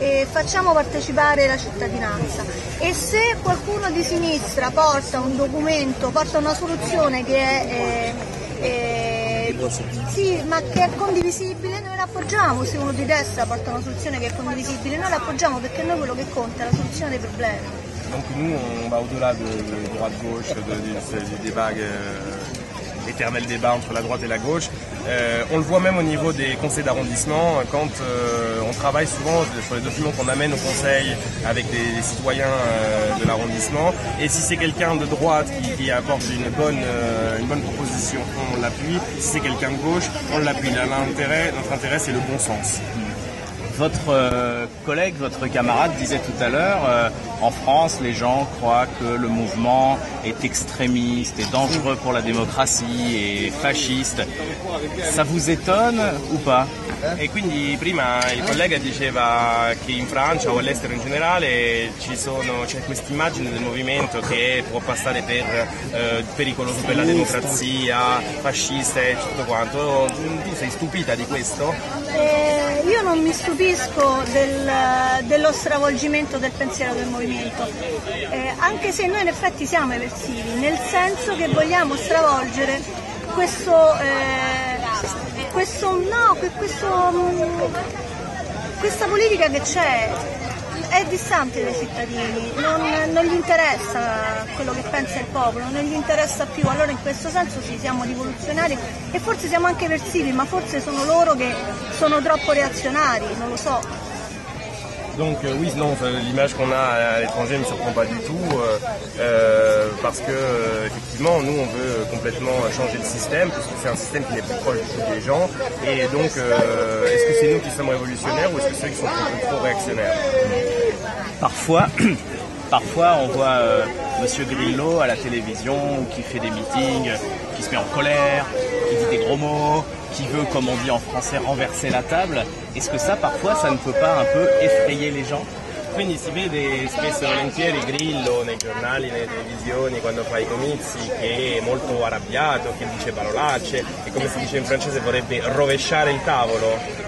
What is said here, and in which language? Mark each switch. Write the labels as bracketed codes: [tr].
[it] facciamo partecipare la cittadinanza. E se qualcuno di sinistra porta un documento, porta una soluzione che è condivisibile, noi l'appoggiamo. Se uno di destra porta una soluzione che è condivisibile, noi l'appoggiamo, perché noi quello che conta è la soluzione dei problemi. [fr] Donc nous, on va au-delà du droite-gauche, du débat, éternel débat entre la droite et la gauche. On le voit même au niveau des conseils d'arrondissement, quand on travaille souvent sur les documents qu'on amène au conseil avec des citoyens de l'arrondissement. Et si c'est quelqu'un de droite qui apporte une bonne proposition, on l'appuie. Si c'est quelqu'un de gauche, on l'appuie. Notre intérêt, c'est le bon sens. Votre collègue, votre camarade disait tout à l'heure, en France, les gens croient que le mouvement est extrémiste et dangereux pour la démocratie et fasciste. Ça vous étonne ou pas? [it] Et quindi prima il collega diceva che in Francia o all'estero in generale c'è questa immagine del movimento che può passare per pericoloso per la democrazia, fascista e tutto quanto. Tu sei stupita di questo? Io non mi stupisco dello stravolgimento del pensiero del movimento, anche se noi in effetti siamo eversivi, nel senso che vogliamo stravolgere questa politica che c'è, è distante dai cittadini, non gli interessa quello che pensa il popolo, non gli interessa più. Allora in questo senso sì, siamo rivoluzionari e forse siamo anche eversivi, ma forse sono loro che sono troppo reazionari, non lo so. [fr] Donc oui, non, l'image qu'on a à l'étranger ne me surprend pas du tout, parce que effectivement, nous on veut complètement changer le système, parce que c'est un système qui est plus proche des gens. Et donc, est-ce que c'est nous qui sommes révolutionnaires ou est-ce que ceux qui sont trop réactionnaires? Parfois, on voit Monsieur Grillo à la télévision qui fait des meetings, qui se met en colère, qui dit des gros mots, qui veut, comme on dit en français, renverser la table. Est-ce que ça, parfois, ça ne peut pas un peu effrayer les gens? [it] Quindi si vede spesso e volentieri Grillo nei giornali, nelle televisioni, quando fa i comizi, che è molto arrabbiato, che dice parolacce, e come si dice in francese, vorrebbe rovesciare il tavolo.